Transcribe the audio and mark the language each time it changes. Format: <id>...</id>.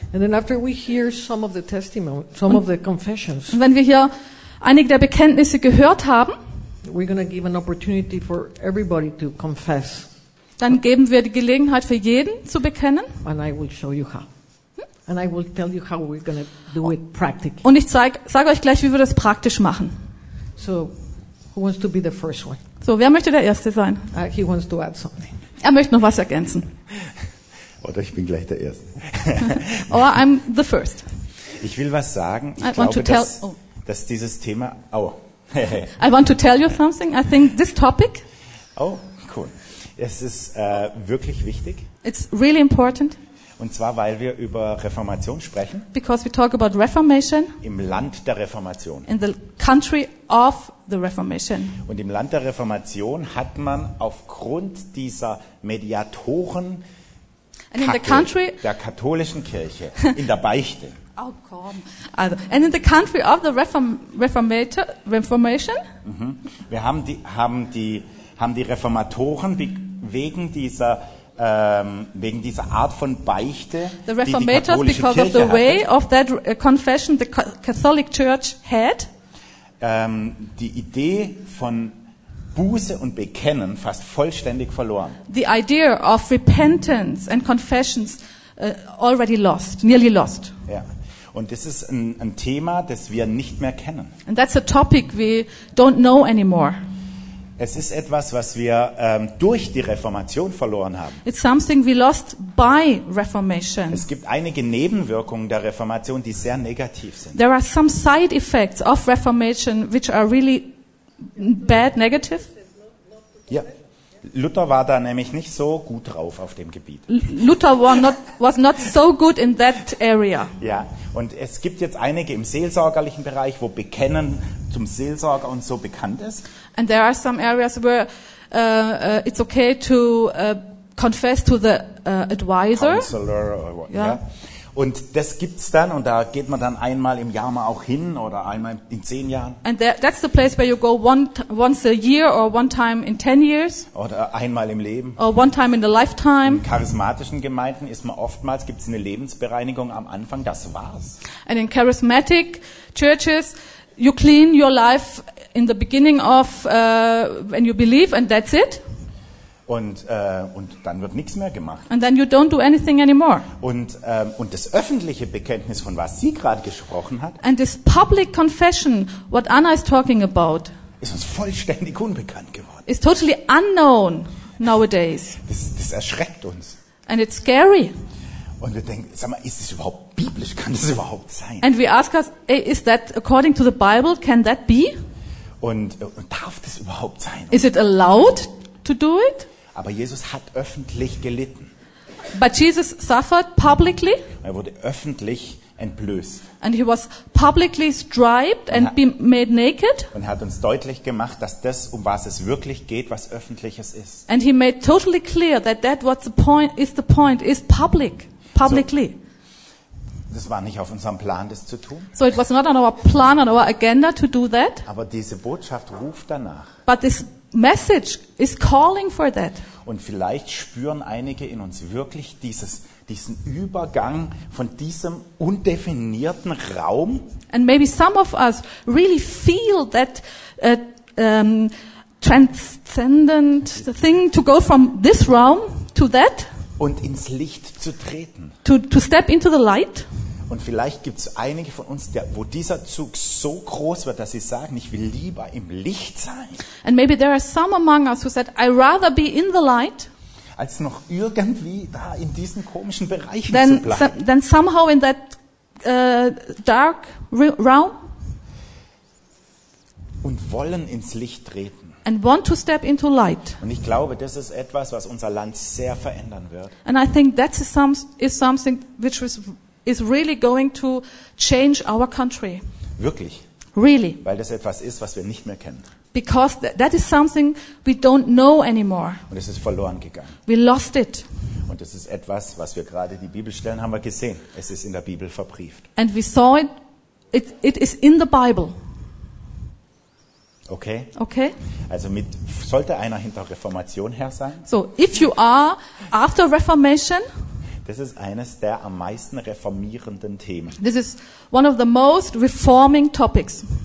<en>And then after we hear some of the testimonies, some of the confessions.</en> <de>Und wenn wir hier einige der Bekenntnisse gehört haben,</de> <en>we're going to give an opportunity for everybody to confess.</en> <de>Dann geben wir die Gelegenheit für jeden zu bekennen.</de> <en>And I will show you how. And I will tell you how we're going to do it practically.</en> <de>Und ich sage euch gleich, wie wir das praktisch machen.</de> <en>So, who wants to be the first one?</en> <de>So, wer möchte der Erste sein?</de> <en>He wants to add something.</en> <de>Er möchte noch was ergänzen. Oder ich bin gleich der Erste.</de> <en>Or I'm the first.</en> <de>Ich will was sagen. Ich glaube, dass dieses Thema... Oh,</de> <en>I want to tell you something. I think this topic. Oh, cool.</en> <de>Es ist wirklich wichtig.</de> <en>It's really important.</en> <de>Und zwar, weil wir über Reformation sprechen.</de> <en>Because we talk about Reformation.</en> <de>Im Land der Reformation.</de> <en>In the country of the Reformation.</en> <de>Und im Land der Reformation hat man aufgrund dieser Mediatoren</de> <en>and in the country,</en> <de>der katholischen Kirche in der Beichte.</de> <en>Oh, come. Also, and in the country of the Reformation. Mm-hmm.</en> <de>Wir haben die Reformatoren wegen dieser Art von Beichte,</de> <en>the Reformators,</en> <de>die</de> <en>because of the</en> <de>hatte,</de> <en>way of that confession the Catholic Church had.</en> <de>Die Idee von Buße und Bekennen fast vollständig verloren.</de> <en>The idea of repentance and confessions already lost, nearly lost.</en> <de>Ja. Und das ist ein Thema, das wir nicht mehr kennen.</de> <en>And that's a topic we don't know anymore.</en> <de>Es ist etwas, was wir durch die Reformation verloren haben.</de> <en>It's something we lost by Reformation.</en> <de>Es gibt einige Nebenwirkungen der Reformation, die sehr negativ sind.</de> <en>There are some side effects of Reformation which are really bad, negative.</en> <de>Ja. Luther war da nämlich nicht so gut drauf auf dem Gebiet.</de> <en>Luther was not so good in that area.</en> <de>Ja, und es gibt jetzt einige im seelsorgerlichen Bereich, wo Bekennen zum Seelsorger und so bekannt ist.</de> <en>And there are some areas where it's okay to confess to the advisor. Counselor or what, yeah.</en> <de>Ja. Und das gibt's dann und da geht man dann einmal im Jahr mal auch hin oder einmal in 10 Jahren.</de> <en>And that's the place where you go once a year or one time in 10 years.</en> <de>Oder einmal im Leben.</de> <en>Or one time in the lifetime.</en> <de>In charismatischen Gemeinden ist man oftmals, gibt's eine Lebensbereinigung am Anfang, das war's.</de> <en>And in charismatic churches, you clean your life in the beginning of when you believe and that's it.</en> <de>Und dann wird nichts mehr gemacht.</de> <en>And then you don't do anything anymore.</en> <de>Und das öffentliche Bekenntnis, von was sie gerade gesprochen hat.</de> <en>And this public confession, what Anna is talking about.</en> <de>Ist uns vollständig unbekannt geworden.</de> <en>Is totally unknown nowadays.</en> <de>Das erschreckt uns.</de> <en>And it's scary.</en> <de>Und wir denken, sag mal, ist das überhaupt biblisch? Kann das überhaupt sein?</de> <en>And we ask us, is that according to the Bible? Can that be?</en> <de>Und darf das überhaupt sein?</de> <en>Is it allowed to do it?</en> <de>Aber Jesus hat öffentlich gelitten.</de> <en>But Jesus suffered publicly.</en> <de>Er wurde öffentlich entblößt.</de> <en>And he was publicly striped and be made naked.</en> <de>Und er hat uns deutlich gemacht, dass das, um was es wirklich geht, was Öffentliches ist.</de> <en>And he made totally clear that what the point is public, publicly.</en> <de>So, das war nicht auf unserem Plan, das zu tun.</de> <en>So it was not on our plan, on our agenda to do that.</en> <de>Aber diese Botschaft ruft danach.</de> <en>But this message is calling for that.</en> <de>Und vielleicht spüren einige in uns wirklich diesen Übergang von diesem undefinierten Raum.</de> <en>And maybe some of us really feel that transcendent thing to go from this realm to that.</en> <de>Und ins Licht zu treten.</de> <en>To step into the light.</en> <de>Und vielleicht gibt's einige von uns, wo dieser Zug so groß wird, dass sie sagen, ich will lieber im Licht sein.</de> <en>And maybe there are some among us who said, I'd rather be in the light.</en> <de>Als noch irgendwie da in diesen komischen Bereichen then, zu bleiben.</de> <en>Then somehow in that dark realm.</en> <de>Und wollen ins Licht treten.</de> <en>And want to step into light.</en> <de>Und ich glaube, das ist etwas, was unser Land sehr verändern wird.</de> <en>And I think that is something which is really going to change our country.</en> <de>Wirklich.</de> <en>Really.</en> <de>Weil das etwas ist, was wir nicht mehr kennen.</de> <en>Because that is something we don't know anymore.</en> <de>Und es ist verloren gegangen.</de> <en>We lost it.</en> <de>Und es ist etwas, was wir gerade die Bibelstellen haben wir gesehen. Es ist in der Bibel verbrieft.</de> <en>And we saw it. It is in the Bible. Okay. Okay.</en> <de>Also sollte einer hinter Reformation her sein?</de> <en>So, if you are after Reformation.</en> <de>Das ist eines der am meisten reformierenden Themen.</de> <en>This is one of the most reforming topics.</en>